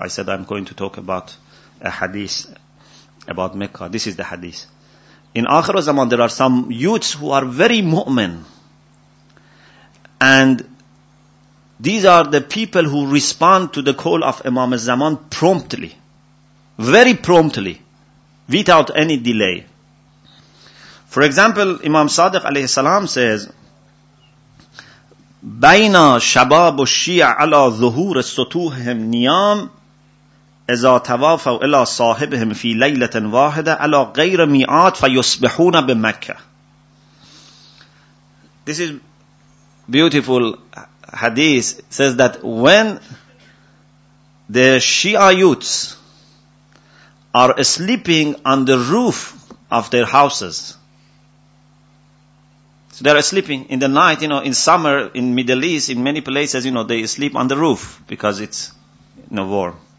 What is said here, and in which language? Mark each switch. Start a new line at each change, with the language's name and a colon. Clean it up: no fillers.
English: I said I'm going to talk about a hadith about Mecca. This is the hadith. In Akhir al-Zaman, there are some youths who are very mu'min. And these are the people who respond to the call of Imam al-Zaman promptly. Very promptly. Without any delay. For example,
Arabic: Imam Sadiq alayhi salam
English: says,
Arabic: بين شباب الشيع على ظهور سطوحهم نيام إذا توافوا إلى صاحبهم في ليلة واحدة على غير ميعاد فيصبحون بمكة.
English: This is beautiful hadith. It says that when the Shia youths are sleeping on the roof of their houses, so they are sleeping in the night, you know, in summer, in Middle East, in many places, you know, they sleep on the roof because it's, you know, warm.